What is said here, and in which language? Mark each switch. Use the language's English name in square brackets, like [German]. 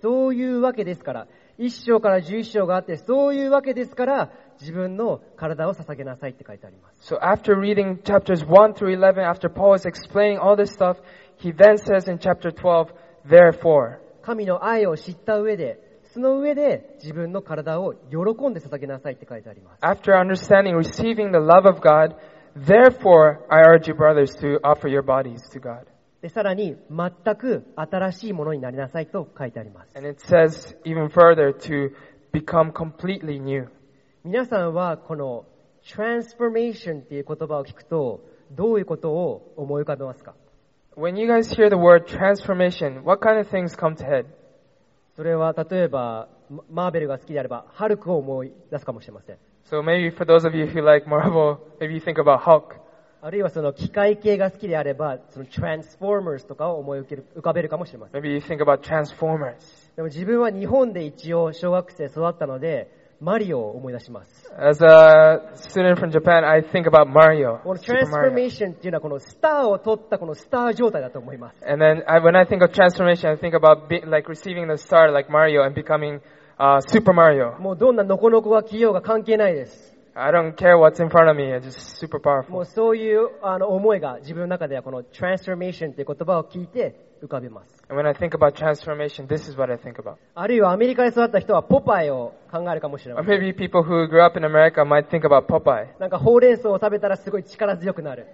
[Japanese] そういうわけですから、1章から11章があって、そういうわけですから、自分の体を捧げなさいって書いてあります。 [English] So after reading chapters 1 through 11, after Paul is explaining all this stuff, he then says in chapter 12, therefore. [Japanese] 神の愛を知った上で、その上で自分の体を喜んで捧げなさいって書いてあります。 [English] After understanding, receiving the love of God, therefore I urge you brothers to offer your bodies to God. [Japanese] でさらに全く新しいものになりなさいと書いてあります。 [English] And it says even further to become completely new. [Japanese] 皆さんはこの transformation っていう言葉を聞くとどういうことを思い浮かべますか [English] ？When you guys hear the word transformation, what kind of things come to head? [Japanese] それは例えばマーベルが好きであればハルクを思い出すかもしれません。 [English] So maybe for those of you who like Marvel, maybe you think about Hulk. [Japanese] あるいはその機械系が好きであればそのトランスフォーマーズとかを思い浮かべるかもしれません。 [English] Maybe you think about Transformers. [Japanese] でも自分は日本で一応小学生育ったのでマリオを思い出します。 [English] As a student from Japan, I think about Mario. [Japanese] このトランスフォーマーションっていうのはこのスターを取ったこのスター状態だと思います。 [English] And then when I think of transformation, I think about like receiving the star like Mario and becoming Super Mario. [Japanese] もうどんなノコノコが来ようが関係ないです。 [English] I don't care what's in front of me. It's just super powerful. [Japanese] もうそういう思いが自分の中ではこの transformation っていう言葉を聞いて浮かびます。 [English] And when I think about transformation, this is what I think about. [Japanese] あるいはアメリカで育った人はポパイを考えるかもしれません。 [English] Or maybe people who grew up in America might think about Popeye. [Japanese] なんかほうれん草を食べたらすごい力強くなる。